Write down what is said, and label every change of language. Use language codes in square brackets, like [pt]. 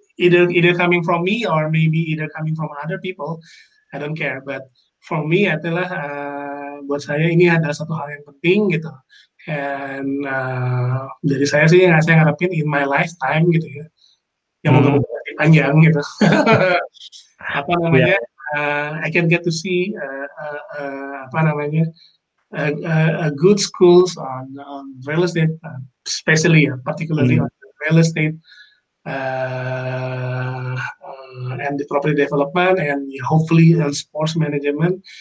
[en] Either coming from me or maybe either coming from other people, I don't care. But for me [id] adalah buat saya ini adalah satu hal yang penting gitu. And dari saya sih yang saya ngarepin [en] in my lifetime [id] gitu ya. Yang mungkin panjang gitu. Apa namanya? Yeah. [en] I can get to see a good schools on real estate, particularly on real estate and the property development, and hopefully on sports management.